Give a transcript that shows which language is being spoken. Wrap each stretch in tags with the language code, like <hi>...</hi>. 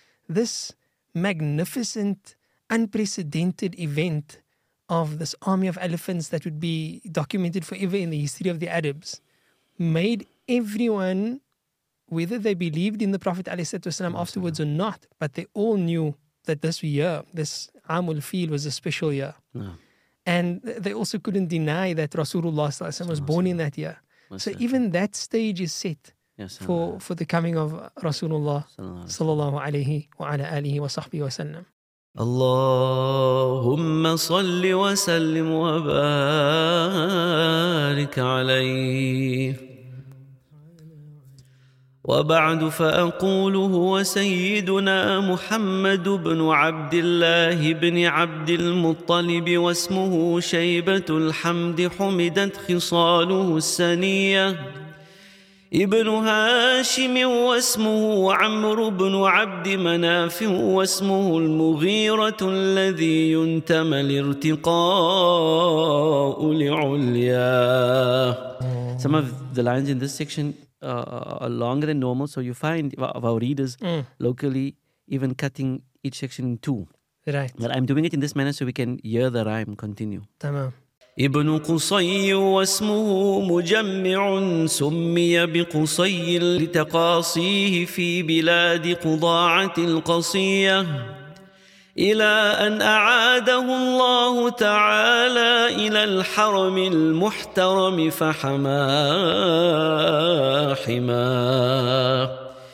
<en>This magnificent, unprecedented event of this army of elephants that would be documented forever in the history of the Arabs made everyone, whether they believed in the Prophet ﷺ afterwards or not, but they all knew that this year, this Amul Fil, was a special year. No. And they also couldn't deny that Rasulullah ﷺ was born in that year. So even that stage is set for the coming of Rasulullah sallallahu alayhi wa ala alihi wa sahbihi wa sallam.</en> <ar>اللهم صل وسلم وبارك عليه وبعد فأقول هو سيدنا محمد بن عبد الله بن عبد المطلب واسمه شيبة الحمد حمدت خصاله السنية ابن هاشم واسمه عمرو بن عبد مناف واسمه المغيرة الذي ينتمى الارتقاء لعلياه.</ar> <en>Some of the lines in this section are longer than normal, so you find of our readers locally even cutting each section in two. Right. But I'm doing it in this manner so we can hear the rhyme continue.</en> <ar>تمام. ابن قصي واسمه مجمع سمي بقصي لتقاصيه في بلاد قضاعة القصية إلى أن أعاده الله تعالى إلى الحرم المحترم فحماه حماه</ar>